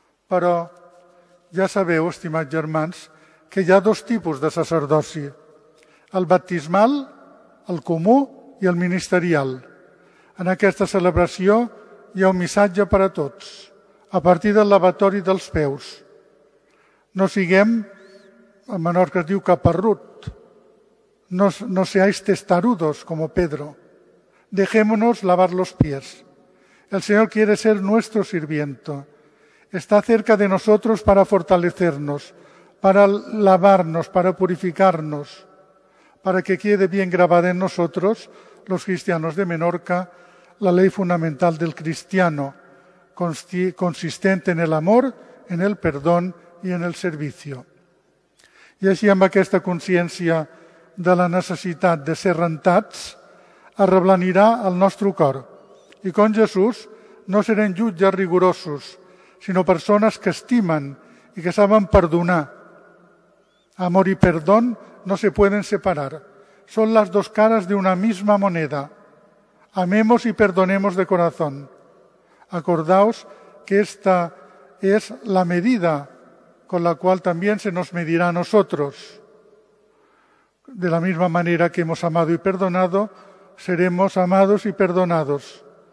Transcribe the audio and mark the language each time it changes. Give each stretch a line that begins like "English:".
Catalan: Però ja sabeu, estimats germans, que hi ha dos tipus de sacerdoci, el baptismal, el comú i el ministerial. En aquesta celebració hi ha un missatge per a tots, a partir del lavatori dels peus. No siguem, en Menorca es diu caparrut,
Spanish: no seáis testarudos como Pedro. Dejémonos lavar los pies. El Señor quiere ser nuestro sirviente. Está cerca de nosotros para fortalecernos, para lavarnos, para purificarnos, para que quede bien grabada en nosotros, los cristianos de Menorca, la ley fundamental del cristiano, consistente en el amor, en el perdón y en el servicio. Y así,
Catalan: amb aquesta consciència de la necessitat de ser rentats, arreblanirà el nostre cor. I com Jesús, no serem jutges rigorosos, sinó persones que estimen i que saben perdonar. Amor i perdó
Spanish: no se pueden separar.
Catalan: Són les dues cares d'una misma moneda.
Spanish: Amemos y perdonemos de corazón. Acordaos que esta es la medida con la cual también se nos medirá a nosotros. De la misma manera que hemos amado y perdonado, seremos amados y perdonados.